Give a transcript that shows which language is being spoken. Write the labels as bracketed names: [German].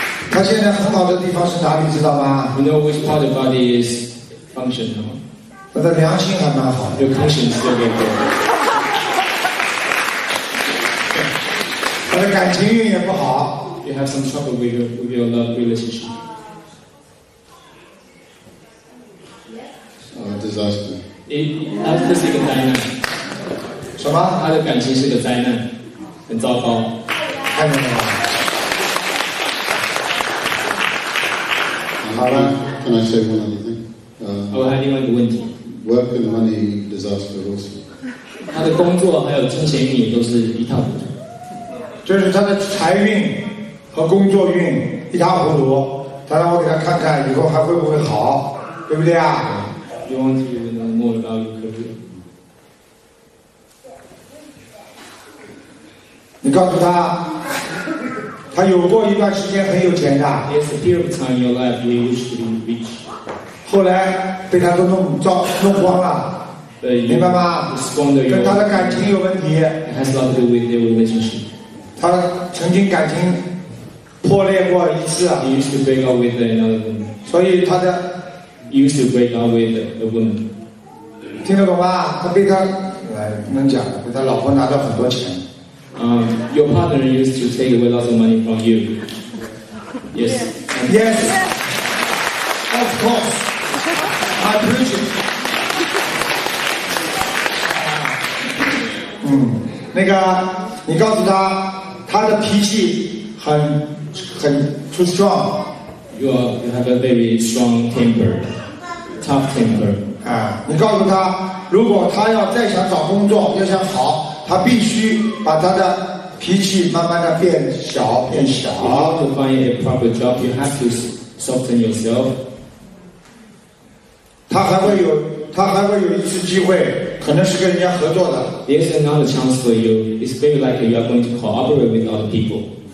[Chinese] 他现在很好的地方是哪里知道吗？ [English] You know which part of the body is functional? [Chinese] 他的良心还蛮好。 [English] Your conscience is very good. [Chinese] 他的感情运也不好。 [English] you have some trouble with your love relationship. Disaster. It is a disaster. [Chinese] 什么？他的感情是个灾难，很糟糕。看见了吗？好了 [English] ，Can I say one other thing？ [Chinese] 我还有另外一个问题。 [English] Work and money disaster also。 [Chinese] 他的工作还有金钱运都是一塌糊涂。就是他的财运和工作运一塌糊涂，他让我给他看看以后还会不会好，对不对啊？ [English] You want to even know more about your career? [Chinese] 你告诉他，他有过一段时间很有钱的。 [English] Yes, a period of time in your life you used to be rich. [Chinese] 后来被他都弄光了，明白吗？ [English] Squandered your... [Chinese] 跟他的感情有问题。 [English] It has nothing to do with your relationship. [Chinese] 他曾经感情破裂过一次。 [English] He used to break out with another woman. [Chinese] 所以他的 [English] He used to break out with a woman. [Chinese] 听得懂吗？他被他能讲，被他老婆拿到很多钱。 [English] Your partner used to take away lots of money from you. Yes. Yes. Of course. I appreciate. [Chinese] 嗯，那个，你告诉他，他的脾气很 [English] too strong. You have a very strong temper, tough temper. [Chinese] 啊，你告诉他，如果他要再想找工作，要想好。他必须把他的脾气慢慢的变小。 [English] If you want to find a proper job, you have to soften yourself. [Chinese] 他还会有一次机会，可能是跟人家合作的。 [English] There's another chance for you. It's very likely you are going to cooperate with other people.